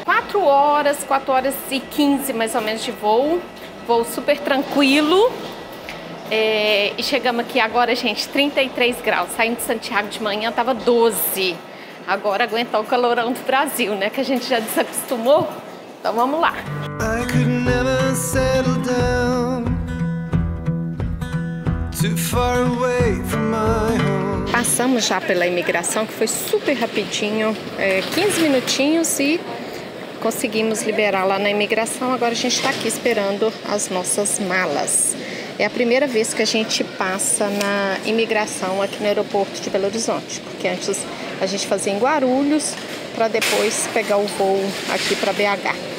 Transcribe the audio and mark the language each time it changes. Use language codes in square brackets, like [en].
[pt] 4 horas e 15 mais ou menos de voo. Voo super tranquilo. E chegamos aqui agora, gente, 33 graus. Saindo de Santiago de manhã, tava 12. Agora aguentar o calorão do Brasil, né? Que a gente já desacostumou. Então vamos lá. [en] I could never settle down. Too far away from my home. [pt] Passamos já pela imigração, que foi super rapidinho, 15 minutinhos e conseguimos liberar lá na imigração. Agora a gente está aqui esperando as nossas malas. É a primeira vez que a gente passa na imigração aqui no aeroporto de Belo Horizonte, porque antes a gente fazia em Guarulhos para depois pegar o voo aqui para BH.